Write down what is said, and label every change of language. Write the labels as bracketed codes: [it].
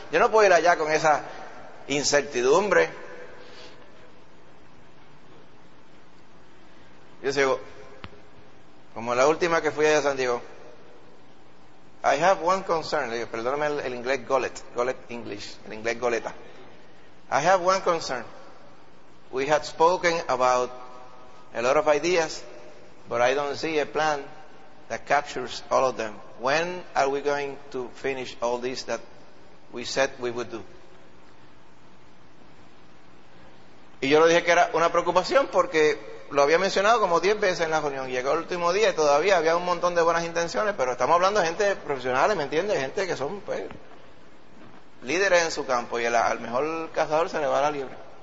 [es] Yo no puedo ir allá con esa incertidumbre. Yo digo, como la última que fui allá a San Diego, [en] I have one concern, [es] le digo, perdóname el inglés gullet English, el inglés goleta. [en] I have one concern. We had spoken about a lot of ideas, but I don't see a plan that captures all of them. When are we going to finish all this that we said we would do? [es] Y yo le dije que era una preocupación porque lo había mencionado como 10 veces en la reunión. Llegó el último día y todavía había un montón de buenas intenciones, pero estamos hablando de gente profesional, ¿me entiendes? Gente que son, pues, líderes en su campo, y al mejor cazador se le va la liebre.